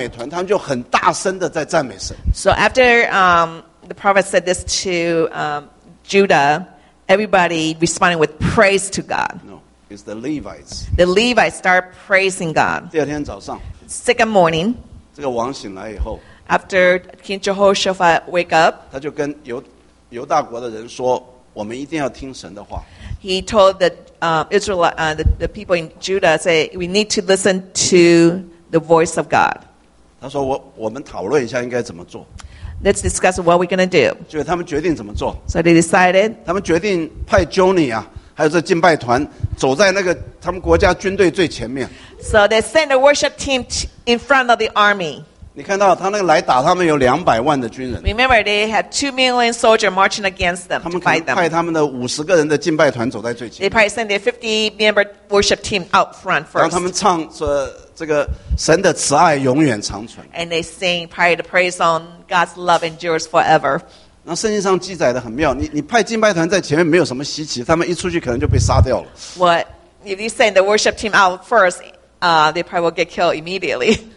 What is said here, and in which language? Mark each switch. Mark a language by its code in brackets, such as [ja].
[zh] 那个他们当中有这个敬拜赞美团，他们就很大声的在赞美神。 [en] So after the prophet said this to Judah, everybody responding with praise to God. No, it's the Levites. The Levites start praising God. [zh] 第二天早上, [en] second morning. [zh] 这个王醒来以后, [en] after King Jehoshaphat wake up, [zh] 他就跟犹大国的人说，我们一定要听神的话。 [en] He told the people in Judah, say, we need to listen to the voice of God. [zh] 他说我们讨论一下应该怎么做。 [en] Let's discuss what we're going to do. [zh] 就他们决定怎么做。 [en] So they decided. [zh] 他们决定派 Johnny啊, 还有这敬拜团, 走在那个他们国家军队最前面。 [en] So they sent the worship team in front of the army. [zh] 你看到他那个来打他们有200万的军人。 [en] Remember, they had 2 million soldiers marching against them to fight them. [zh] 他们可能派他们的50个人的敬拜团走在最前面。 [en] They probably sent their 50-member worship team out front first. [zh] 然后他们唱说，这个神的慈爱永远长存。 [en] And they sing probably the praise on God's love endures forever. [zh] 那圣经上记载的很妙，你派敬拜团在前面没有什么稀奇，他们一出去可能就被杀掉了。 [en] What? If you send the worship team out first, they probably will get killed immediately.